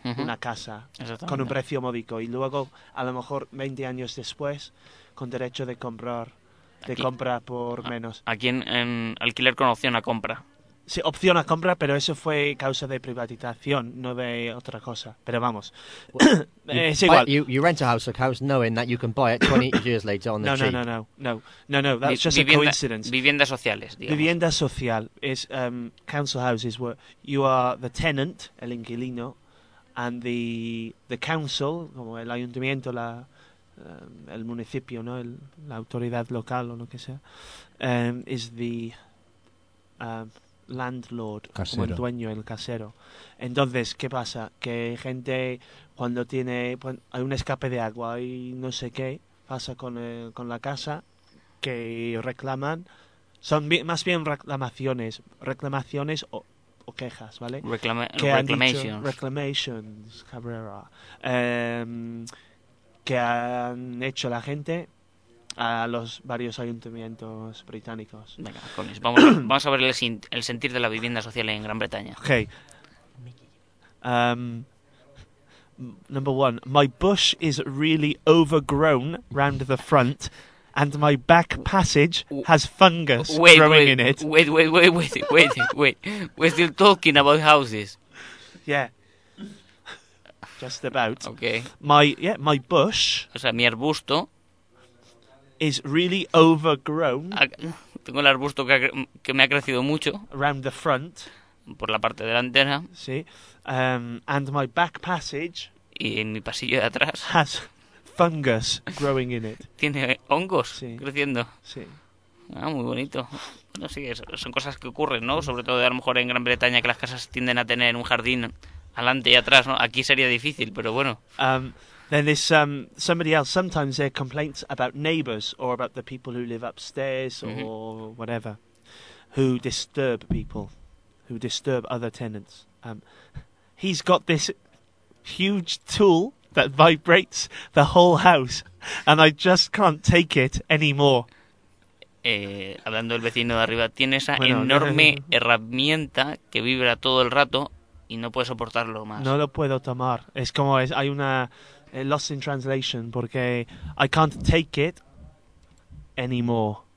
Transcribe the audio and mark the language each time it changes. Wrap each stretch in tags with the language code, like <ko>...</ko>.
<es>Una casa con un precio módico y luego, a lo mejor 20 años después, con derecho de comprar, de aquí, compra por menos. Aquí en alquiler con opción a compra. Sí, opción a compra, pero eso fue causa de privatización, no de otra cosa. Pero vamos, es igual.</es> <en>You rent a house knowing that you can buy it 20 years later on the cheap. No, that's just a coincidence.</en> <es>Viviendas sociales, digamos.</es> <en>Vivienda social is council houses where you are the tenant,</en> <es>el inquilino.</es> <en>And the council,</en> <es>como el ayuntamiento, el municipio, ¿no? La autoridad local o lo que sea,</es> <en>is the landlord,</en> <es>casero. Como el dueño, el casero. Entonces, ¿qué pasa? Que gente, cuando tiene, hay un escape de agua y no sé qué, pasa con la casa, que reclaman, son más bien reclamaciones o quejas, ¿vale?</es> <en>Reclamations,</en> <es>Cabrera. Que han hecho la gente a los varios ayuntamientos británicos. Venga, Collins, vamos a ver el sentir de la vivienda social en Gran Bretaña.</es> <en>Okay. Number one, my bush is really overgrown round the front. And my back passage has fungus growing in it. Wait. We're still talking about houses. Yeah. Just about. Okay. My bush...</en> <es>O sea, mi arbusto...</es> <en>Is really overgrown...</en> <es>Tengo el arbusto que me ha crecido mucho...</es> <en>Around the front.</en> <es>Por la parte delantera.</es> <en>Sí. And my back passage...</en> <es>Y en mi pasillo de atrás...</es> <en>Has... Fungus growing in it.</en> <es>Tiene hongos, sí. Creciendo. Sí. Ah, muy bonito. No, sí, son cosas que ocurren, ¿no? Sobre todo a lo mejor en Gran Bretaña, que las casas tienden a tener un jardín adelante y atrás, ¿no? Aquí sería difícil, pero bueno.</es> <en>Then there's somebody else. Sometimes there are complaints about neighbors or about the people who live upstairs or whatever, who disturb people, who disturb other tenants. He's got this huge tool that vibrates the whole house, and I just can't take it anymore.</en> <es>hablando del vecino de arriba, tiene esa enorme herramienta que vibra todo el rato y no puede soportarlo más. No lo puedo tomar. Es como es, hay una</es> <en>lost in translation</en> <es>porque</es> <en>I can't take it anymore.</en>